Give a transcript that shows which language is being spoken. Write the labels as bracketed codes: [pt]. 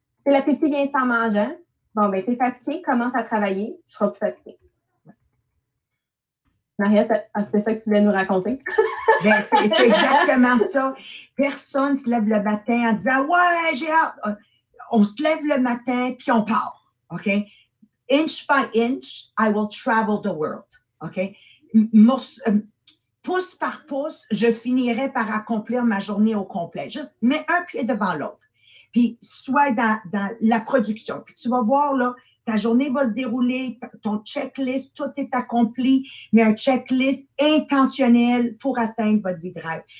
[fr] Si l'appétit vient en mangeant, bon, bien, tu es fatigué, commence à travailler, tu seras plus fatigué. Mariette, c'est ça que tu voulais nous raconter. Bien, c'est exactement ça. Personne ne se lève le matin en disant « Ouais, j'ai hâte! » On se lève le matin, puis on part. OK? [en] Inch by inch, I will travel the world. OK? [fr] Pouce par pouce, je finirai par accomplir ma journée au complet. Juste mets un pied devant l'autre. Puis, sois dans la production. Puis, tu vas voir, là, ta journée va se dérouler, ton checklist, tout est accompli, mais un checklist intentionnel pour atteindre votre vie de rêve.